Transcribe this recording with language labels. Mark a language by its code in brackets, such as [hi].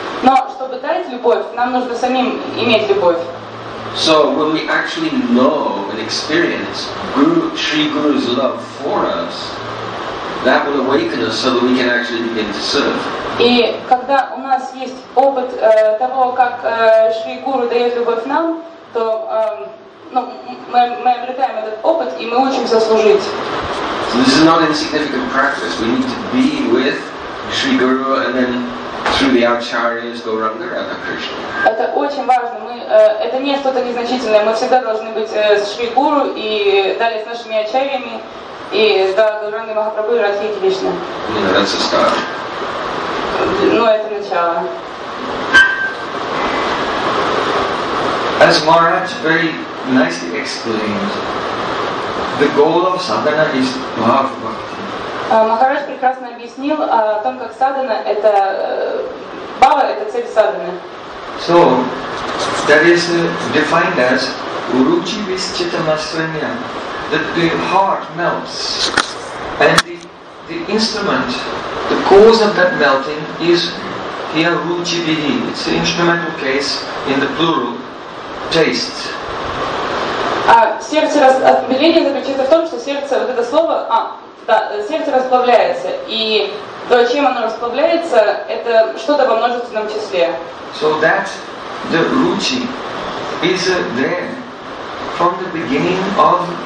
[ru] Но чтобы дать любовь, нам нужно самим иметь любовь. [en] So when we actually know and experience Shri Guru's love for us, that will awaken us so that we can actually begin to serve. [ru] И когда у нас есть опыт того, как Шри Гуру дает любовь нам, то мы обретаем этот опыт и мы учимся служить. [en] So this is not insignificant practice. We need to be with Shri Guru and then through the acharyas go around the Radha Krishna. [ru] Это очень важно. Это не что-то незначительное. Мы всегда должны быть с Шри Гуру и далее с нашими ачарьями. И да, Гуранги Махапрабху и Радхи Кришна. Это старт. Но это начало. [en] As Maharaj very nicely explained, the goal of sadhana is bhav bhakti. [ru] Махарадж прекрасно объяснил о том, как садхана это бхава, это цель садхана. [en] So that is defined as uruchi vischita nasranya. That the heart melts, and the instrument, the cause of that melting is here ruchi vidhi. It's the instrumental case in the plural, taste. [ru] Сердце расплавление заключается в том, что сердце вот это слово, сердце расплавляется, и то, чем оно расплавляется, это что-то во множественном числе. [en] So that the ruchi is there from the beginning of.